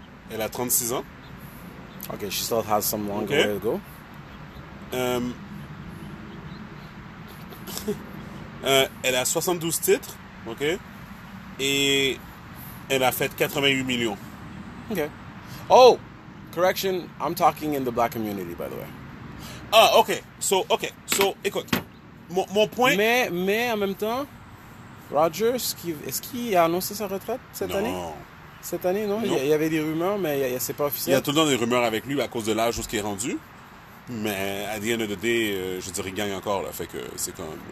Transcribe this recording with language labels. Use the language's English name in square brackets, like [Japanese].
[French] Elle a 36 ans. [English] OK, she still has some long way to go. [French] Elle a 72 titres, ok, et elle a fait 88 millions. [English] Ok. Oh, correction, I'm talking in the black community, by the way. [French] Ah, ok. So, ok. So, écoute, mon point. Mais en même temps, Roger, est-ce qu'il a annoncé sa retraite cette année? Non. Cette année, non. Il y avait des rumeurs, mais c'est pas officiel. Il y a tout le temps des rumeurs avec lui à cause de l'âge où ce qui est rendu. Mais à [English] the end of the day, [French] je dirais qu'il gagne encore. Là. Fait que c'est comme.